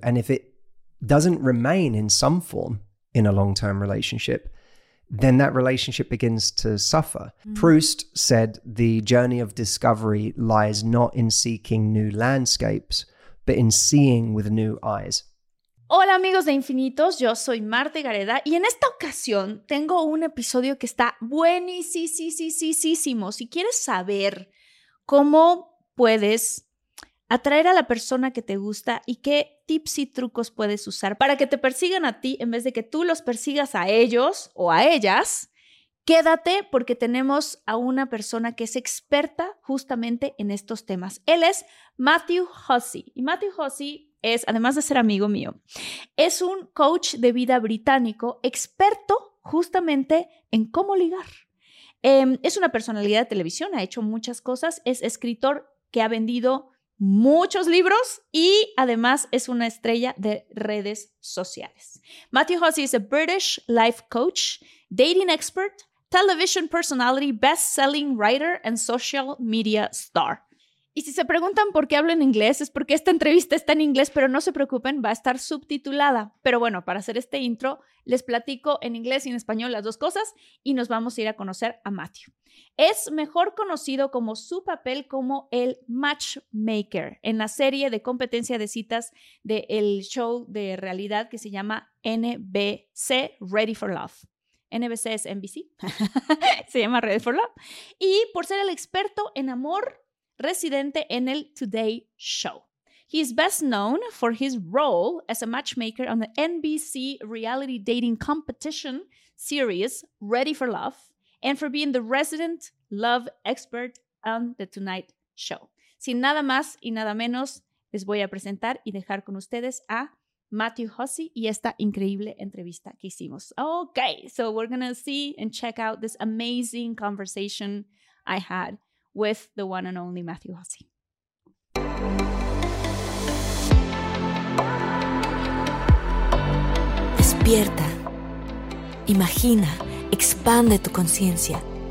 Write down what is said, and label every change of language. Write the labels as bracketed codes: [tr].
[en] And if it doesn't remain in some form in a long-term relationship, then that relationship begins to suffer. Mm-hmm. Proust said, "The journey of discovery lies not in seeking new landscapes, but in seeing with new eyes." [es] Hola amigos de Infinitos, yo soy Marta Gareda y en esta ocasión tengo un episodio que está buenísimo. Si quieres saber cómo puedes atraer a la persona que te gusta y qué tips y trucos puedes usar para que te persigan a ti en vez de que tú los persigas a ellos o a ellas, quédate porque tenemos a una persona que es experta justamente en estos temas. Él es Matthew Hussey. Y Matthew Hussey es, además de ser amigo mío, es un coach de vida británico experto justamente en cómo ligar. Es una personalidad de televisión, ha hecho muchas cosas, es escritor que ha vendido muchos libros y además es una estrella de redes sociales. [en] Matthew Hussey is a British life coach, dating expert, television personality, best-selling writer and social media star. [es] Y si se preguntan por qué hablo en inglés, es porque esta entrevista está en inglés, pero no se preocupen, va a estar subtitulada. Pero bueno, para hacer este intro, les platico en inglés y en español las dos cosas y nos vamos a ir a conocer a Matthew. Es mejor conocido como su papel como el matchmaker en la serie de competencia de citas del show de realidad que se llama NBC Ready for Love. NBC es NBC, se llama Ready for Love. Y por ser el experto en amor residente en el Today Show. [en] He is best known for his role as a matchmaker on the NBC reality dating competition series Ready for Love and for being the resident love expert on the Tonight Show. [es] Sin nada más y nada menos, les voy a presentar y dejar con ustedes a Matthew Hussey y esta increíble entrevista que hicimos. [en] Okay, so we're gonna see and check out this amazing conversation I had with the one and only Matthew Hussey. [es] Despierta. Imagina, expande tu conciencia.